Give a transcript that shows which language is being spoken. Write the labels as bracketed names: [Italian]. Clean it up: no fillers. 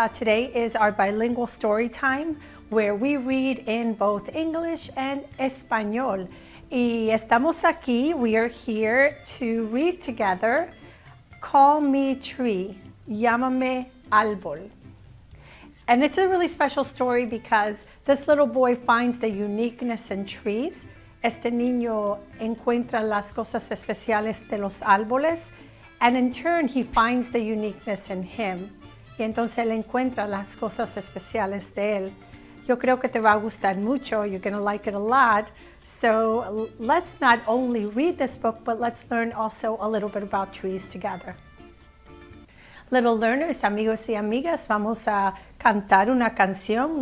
[English] Today is our bilingual story time where we read in both English and Español. [Spanish] Y estamos aquí, [English] we are here to read together. Call me tree, [Spanish] llámame árbol. [English] And it's a really special story because this little boy finds the uniqueness in trees. [Spanish] Este niño encuentra las cosas especiales de los árboles. [English] And in turn, he finds the uniqueness in him. [Spanish] Y entonces él encuentra las cosas especiales de él. Yo creo que te va a gustar mucho. [English] You're going to like it a lot. So let's not only read this book, but let's learn also a little bit about trees together. Little learners, [Spanish] amigos y amigas, vamos a cantar una canción.